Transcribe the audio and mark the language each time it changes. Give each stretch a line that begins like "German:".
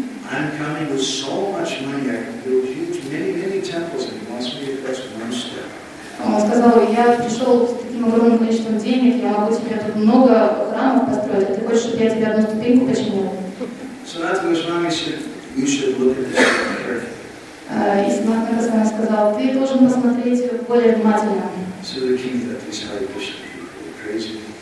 English: I'm coming with so much money, I can build huge, many, many temples, and he wants me to fix one step.
Russian: Он сказал, я пришел с таким огромным количеством денег, я могу тебе тут много храмов построить, а ты хочешь, чтобы я тебе одну ступеньку починил?
English: Sanatana Goswami said, you should look at this carefully.
Russian: И Sanatana Goswami сказал, ты должен посмотреть более внимательно.
English: So the king thought this Hare Krishna people are crazy.